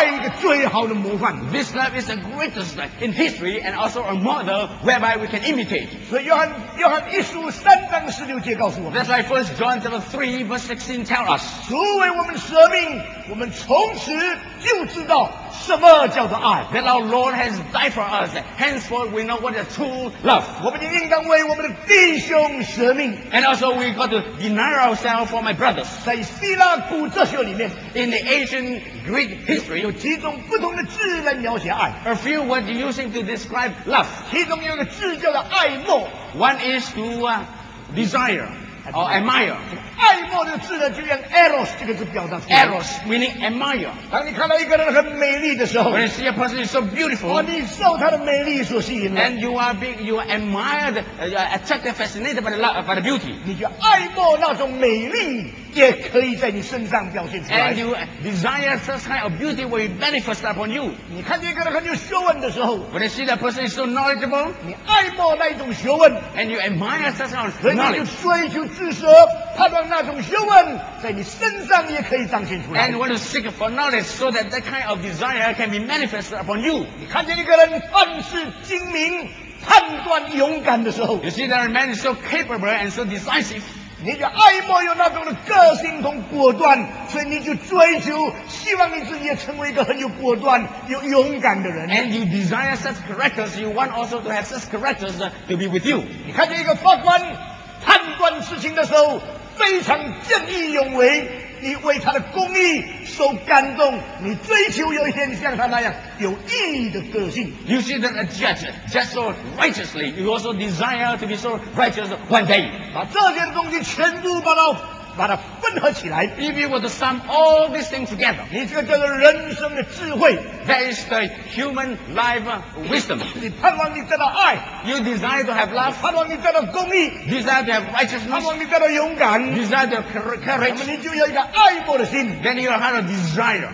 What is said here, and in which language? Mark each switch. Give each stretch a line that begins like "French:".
English: This love is the greatest in history and also a model whereby we can imitate. That's why 1 John chapter 3 verse 16 tell us.
Chinese: 主为我们舍命，我们从此就知道什么叫做爱。
English: That our Lord has died for us. Henceforth we know what is true love.
Chinese: 我们应当为我们的弟兄舍命。
English: And also we got to deny ourselves for my brothers.
Chinese: 在希腊古哲学里面
English: ，In the ancient Greek history，
Chinese: 有几种不同的字来描写爱。
English: A few words using to describe love.
Chinese: 其中有一个字叫做爱慕。
English: One is to desire. Or admire.
Chinese: 爱慕的字呢，就用 eros 这个字表达出来。
English: Eros meaning admire.
Chinese: 当你看到一个人很美丽的时候
English: ，When you see a person is so beautiful,
Chinese: 你受他的美丽所吸引
English: ，and you are admired, attracted, fascinated by the beauty.
Chinese: 你就爱慕那种美丽，也可以在你身上表现出来。
English: And you desire such kind of beauty will manifest upon you.
Chinese: 你看见一个人很有学问的时候
English: ，When you see that person is so knowledgeable,
Chinese: 你爱慕那一种学问
English: ，and you admire such kind of knowledge.
Chinese: 你就追求。自舍，盼望那种学问在你身上也可以彰显出来。
English: And want to seek for knowledge so that that kind of desire can be manifested upon you.
Chinese: 你看见一个人办事精明、判断勇敢的时候
English: ，You see that man is so capable and so decisive.
Chinese: 你就爱慕有那种的个性同果断，所以你就追求，希望你自己也成为一个很有果断、有勇敢的人。
English: And you desire such characters. You want also to have such characters to be with you.
Chinese: 你看见一个法官。判断事情的时候非常见义勇为，你为他的公义受感动，你追求有一天像他那样有义的个性。
English: You see that a judge just so righteously, you also desire to be so righteous one day.
Chinese: 把这些东西全部把它分合起来。
English: If you were to sum all these things together,
Chinese: 你这个叫做人生的智慧。
English: That is the human life wisdom.
Chinese: 你盼望你得到爱。
English: You desire to have love.
Chinese: 盼望你得到公义。
English: Desire to have righteousness.
Chinese: 盼望你得到勇敢。
English: Desire to have courage.
Chinese: 你就有一个爱慕的心。
English: Then you have a desire.